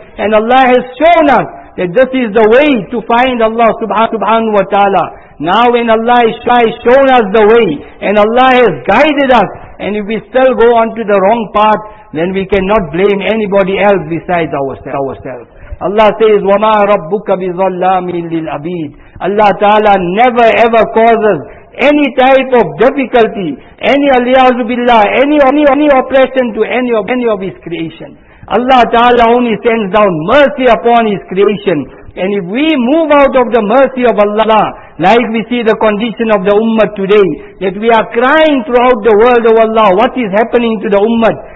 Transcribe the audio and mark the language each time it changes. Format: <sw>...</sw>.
<en>And Allah has shown us that this is the way to find Allah subhanahu wa ta'ala. Now when Allah has shown us the way, and Allah has guided us, and if we still go on to the wrong path, then we cannot blame anybody else besides ourselves. Allah says,</en> <ar>وَمَا رَبُّكَ بِظَلَّامٍ لِلْعَبِيدِ.</ar> <en>Allah Ta'ala never ever causes any type of difficulty, any aliyazu billah, any oppression to any of His creation. Allah Ta'ala only sends down mercy upon His creation. And if we move out of the mercy of Allah, like we see the condition of the ummah today, that we are crying throughout the world, oh Allah, what is happening to the ummah?</en>